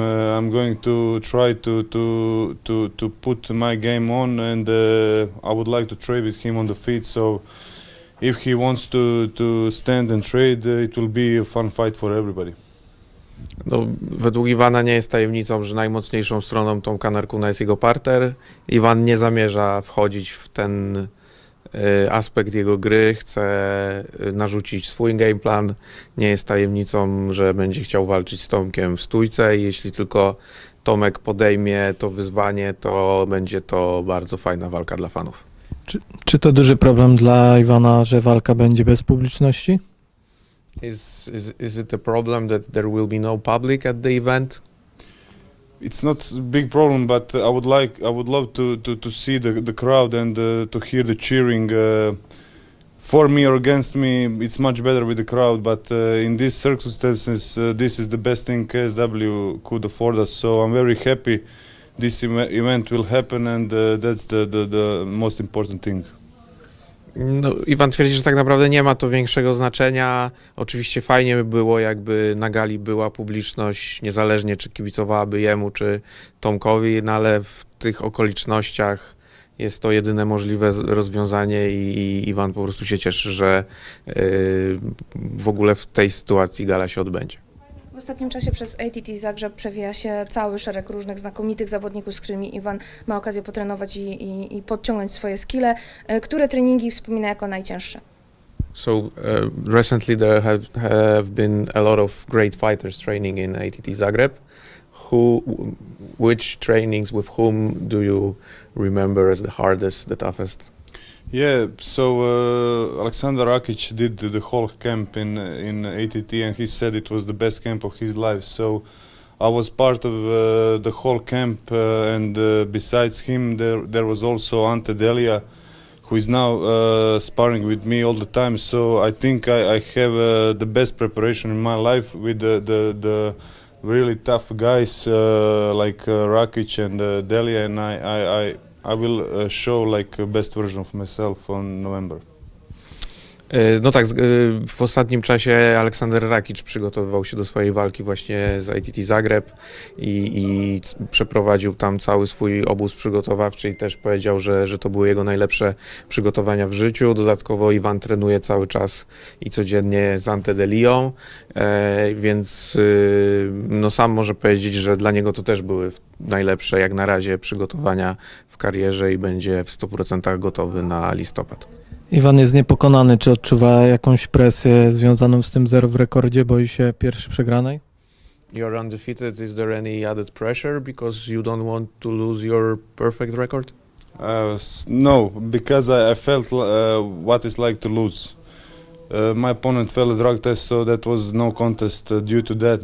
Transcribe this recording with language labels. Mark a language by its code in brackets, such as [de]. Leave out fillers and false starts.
[en] I'm going to try to put my game on, and I would like to trade with him on the feet. So if he wants to stand and trade, it will be a fun fight for everybody. [pl] No, według Iwana nie jest tajemnicą, że najmocniejszą stroną Tomka Narkuna jest jego parter. Iwan nie zamierza wchodzić w ten aspekt jego gry, chce narzucić swój game plan. Nie jest tajemnicą, że będzie chciał walczyć z Tomkiem w stójce i jeśli tylko Tomek podejmie to wyzwanie, to będzie to bardzo fajna walka dla fanów. Czy to duży problem dla Iwana, że walka będzie bez publiczności? [en] Is it a problem that there will be no public at the event? It's not a big problem, but I would love to see the crowd and to hear the cheering for me or against me. It's much better with the crowd, but in these circumstances, this is the best thing KSW could afford us. So I'm very happy this event will happen, and that's the most important thing. [pl] No, Iwan twierdzi, że tak naprawdę nie ma to większego znaczenia. Oczywiście fajnie by było, jakby na gali była publiczność, niezależnie czy kibicowałaby jemu, czy Tomkowi, no ale w tych okolicznościach jest to jedyne możliwe rozwiązanie i Iwan po prostu się cieszy, że w ogóle w tej sytuacji gala się odbędzie. W ostatnim czasie przez ATT Zagrzeb przewija się cały szereg różnych znakomitych zawodników, z którymi Iwan ma okazję potrenować i podciągnąć swoje skille. Które treningi wspomina jako najcięższe? [en] So recently there have been a lot of great fighters training in ATT Zagreb. Which trainings with whom do you remember as the hardest, the toughest? Yeah, so Aleksandar Rakic did the whole camp in ATT, and he said it was the best camp of his life. So I was part of the whole camp, and besides him, there was also Ante Delia, who is now sparring with me all the time. So I think I have the best preparation in my life with the really tough guys like Rakic and Delia, and I will show like best version of myself on November. [pl] No tak, w ostatnim czasie Aleksander Rakic przygotowywał się do swojej walki właśnie z ITT Zagreb i przeprowadził tam cały swój obóz przygotowawczy i też powiedział, że to były jego najlepsze przygotowania w życiu. Dodatkowo Iwan trenuje cały czas i codziennie z Ante de Lyon, więc no sam może powiedzieć, że dla niego to też były najlepsze jak na razie przygotowania w karierze i będzie w 100% gotowy na listopad. Iwan jest niepokonany. Czy odczuwa jakąś presję związaną z tym zero w rekordzie? Boi się pierwszej przegranej? [en] You're undefeated. Is there any added pressure because you don't want to lose your perfect record? No, because I felt what it's like to lose. My opponent failed a drug test, so that was no contest due to that.